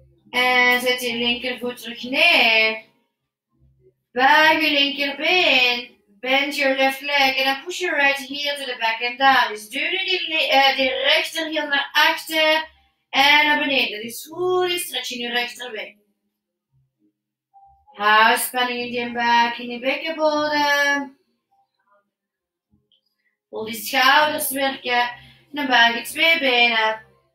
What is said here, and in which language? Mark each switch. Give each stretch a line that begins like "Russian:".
Dutch: En zet je linkervoet terug neer. Buig je linkerbeen.
English: Bend your left leg and then push your right heel to the back and down.
Dutch: Dus duw nu die rechterheel naar achter en naar beneden. Dus voel die stretch in je rechterbeen. Hou spanning in je buik, in je bekkenbodem. Voel die schouders werken. Dan buig je twee benen.